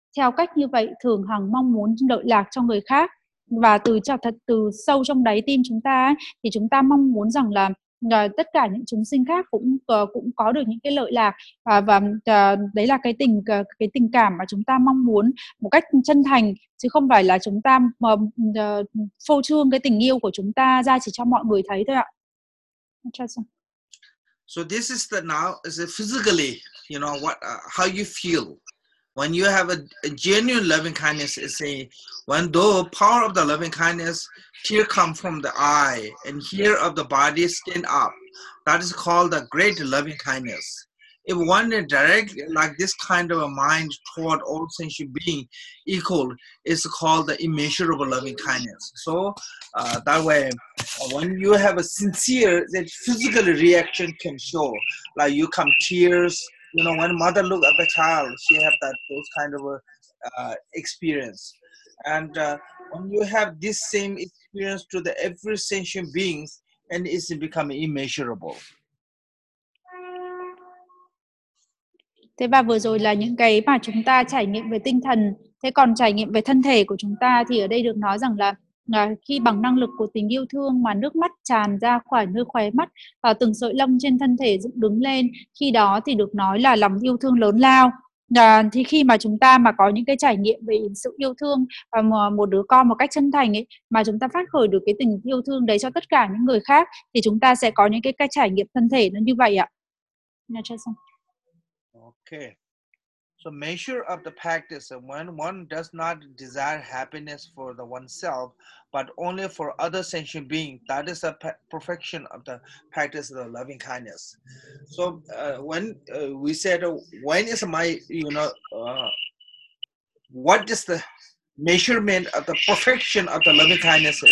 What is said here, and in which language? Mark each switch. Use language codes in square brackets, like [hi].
[vi] Theo cách như vậy, thường hằng mong muốn lợi lạc cho người khác. Và từ sâu trong đáy tim chúng ta ấy, thì chúng ta mong muốn rằng là tất cả những chúng sinh khác cũng có được những cái lợi lạc. Và đấy là cái tình cảm mà chúng ta mong muốn một cách chân thành, chứ không phải là chúng ta phô trương cái tình yêu của chúng ta ra chỉ cho mọi người thấy thôi ạ. [en] So this is the now, is it physically, you know, what how you feel. When you have a genuine loving kindness, it's saying, when though power of the loving kindness, tear come from the eye and hair of the body stand up, that is called the great loving kindness. If one direct like this kind of a mind toward all sentient being equal, it's called the immeasurable loving kindness. So that way, when you have a sincere, that physical reaction can show, like you come tears, you know, when mother look at the child, she have that those kind of experience. And when you have this same experience to the every sentient beings, and it's become immeasurable. [vi] Thế và vừa rồi là những cái mà chúng ta trải nghiệm về tinh thần, thế còn trải nghiệm về thân thể của chúng ta thì ở đây được nói rằng là khi bằng năng lực của tình yêu thương mà nước mắt tràn ra khỏi nơi khóe mắt và từng sợi lông trên thân thể dựng đứng lên, khi đó thì được nói là lòng yêu thương lớn lao. Thì khi mà chúng ta mà có những cái trải nghiệm về sự yêu thương một đứa con một cách chân thành ấy, mà chúng ta phát khởi được cái tình yêu thương đấy cho tất cả những người khác, thì chúng ta sẽ có những cái trải nghiệm thân thể nó như vậy ạ. Nha chưa xong. [en] Okay. So measure of the practice, when one does not desire happiness for the oneself, but only for other sentient beings, that is the perfection of the practice of the loving kindness. So when we said, when is my, you know, what is the measurement of the perfection of the loving kindness?